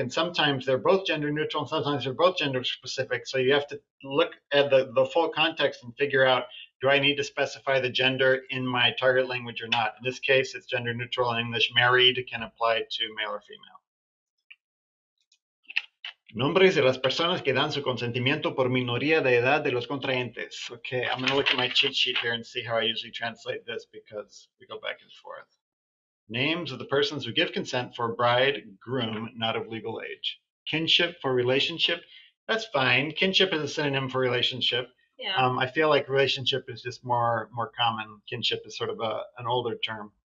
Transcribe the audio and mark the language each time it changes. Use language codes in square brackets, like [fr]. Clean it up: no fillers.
[en] And sometimes they're both gender neutral and sometimes they're both gender specific. So you have to look at the full context and figure out, do I need to specify the gender in my target language or not? In this case, it's gender neutral and English married can apply to male or female. [es] Nombres de las personas que dan su consentimiento por minoría de edad de los contrayentes. [en] Okay, I'm going to look at my cheat sheet here and see how I usually translate this because we go back and forth. Names of the persons who give consent for bride, groom, not of legal age. Kinship for relationship. That's fine. Kinship is a synonym for relationship. Yeah. I feel like relationship is just more common. Kinship is sort of an older term.